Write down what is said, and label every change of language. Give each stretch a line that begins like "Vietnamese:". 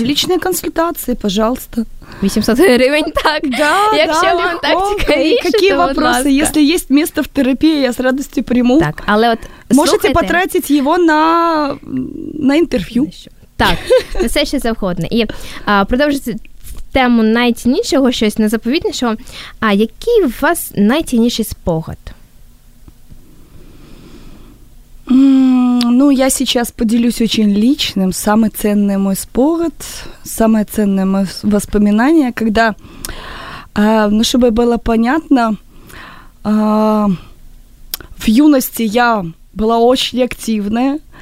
Ukrainian: Лічні консультації, пожалуйста. 800 гривень, так?
Russian: Да,
Ukrainian: якщо
Russian: да,
Ukrainian: вам легко. Так цікавіше, то
Russian: какие вопросы? Если есть место в терапии, я с радостью приму.
Ukrainian: Так, але от
Russian: можете потратить его на интервью.
Ukrainian: Так, все ще завгодно. І продовжуйте тему найціннішого, щось незаповітнішого. А який у вас найцінніший спогад?
Russian: Ну, я сейчас поделюсь очень личным. Самый ценный мой спогад, самое ценное мое воспоминание, когда, ну, чтобы было понятно, в юности я была очень активная.